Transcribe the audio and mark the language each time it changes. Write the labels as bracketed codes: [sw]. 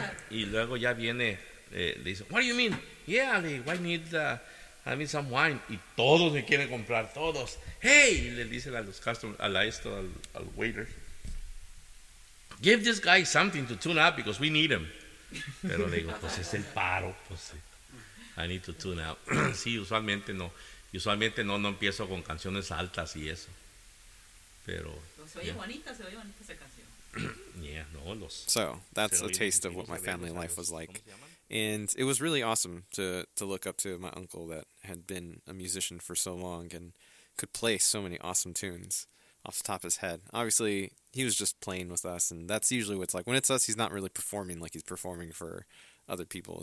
[es] Y luego ya viene, le dice, [en] what do you mean? Yeah, I need... I need some wine. [es] Y todos me quieren comprar, todos. [en] Hey, [es] y le dicen a los [en] customers, [es] al [en] waiter, give this guy something to tune up because we need him. [es] Pero le digo, pues es el paro, pues [en] I need to tune up. [es] Sí, usualmente no empiezo con canciones altas y eso. Pero. Se oye bonita esa canción. [en] Yeah, [es] no, los. [en] So, that's a taste of what my family life was like. And it was really awesome to look up to my uncle that had been a musician for so long and could play so many awesome tunes off the top of his head. Obviously, he was just playing with us, and that's usually what it's like. When it's us, he's not really performing like he's performing for other people.